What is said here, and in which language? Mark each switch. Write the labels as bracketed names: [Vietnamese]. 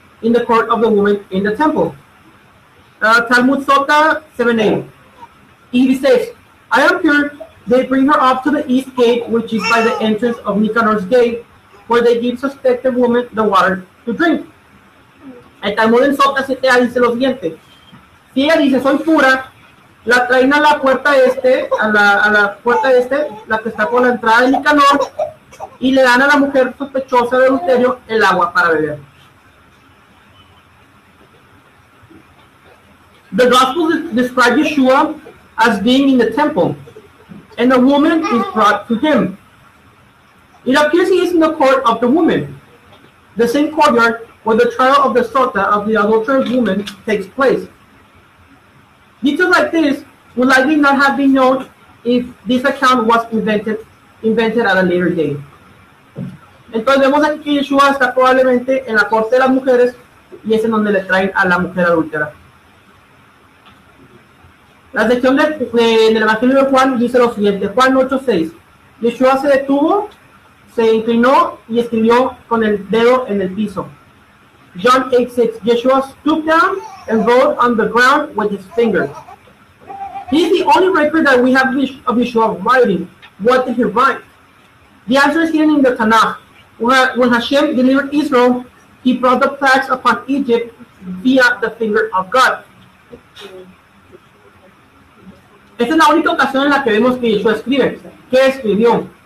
[English] in the court of the woman in the temple. Talmud Sota 7:8. Eve says, I am pure. They bring her up to the east gate, which is by the entrance of Nicanor's gate, where they give suspected woman the water to drink. [Spanish] El Talmud en Sota 7:8 dice lo siguiente. Si ella dice, soy pura, la traen a la puerta este, a la puerta este, la que está por la entrada de Nicanor, y le dan a la mujer sospechosa de adulterio el agua para beber. [English] The gospel describes Yeshua as being in the temple, and a woman is brought to him. It appears he is in the court of the woman, the same courtyard where the trial of the sota of the adulterous woman takes place. Details like this would likely not have been known if this account was invented at a later date. [Spanish] Entonces vemos aquí que Yeshua está probablemente en la corte de las mujeres y es en donde le traen a la mujer adúltera. La sección del Evangelio de Juan dice lo siguiente, Juan 8:6. Yeshua se detuvo, se inclinó y escribió con el dedo en el piso. [English] John 8:6. Yeshua stooped down and wrote on the ground with his finger. He is the only record that we have of Yeshua writing. What did he write? The answer is hidden in the Tanakh. When Hashem delivered Israel, he brought the plagues upon Egypt via the finger of God. [Spanish] Esta es la única ocasión en la que vemos que Yeshua escribe. ¿Qué escribió?